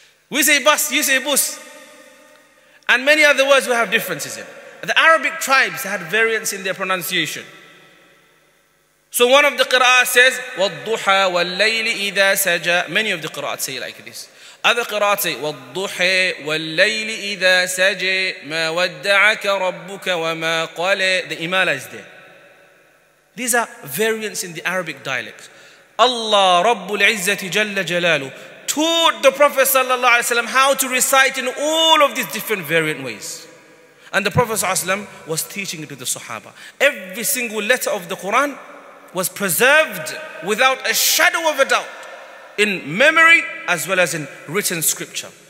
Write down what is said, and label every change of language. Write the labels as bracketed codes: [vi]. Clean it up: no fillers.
[en] We say bus, you say bus. And many other words we have differences in. The Arabic tribes had variants in their pronunciation. So one of the qira'at says, [ar] وَالضُّحَى وَاللَّيْلِ إِذَا سَجَى. [en] Many of the qira'at say like this. Other qira'at say, [ar] وَالضُّحَى وَاللَّيْلِ إِذَا سَجَى مَا وَدَّعَكَ رَبُّكَ وَمَا قَلَى. [en] The imala is there. These are variants in the Arabic dialect. Allah Rabbul Izzati Jalla Jalalu taught the Prophet Sallallahu Alaihi Wasallam how to recite in all of these different variant ways. And the Prophet Sallallahu Alaihi Wasallam was teaching it to the Sahaba. Every single letter of the Quran was preserved without a shadow of a doubt in memory as well as in written scripture.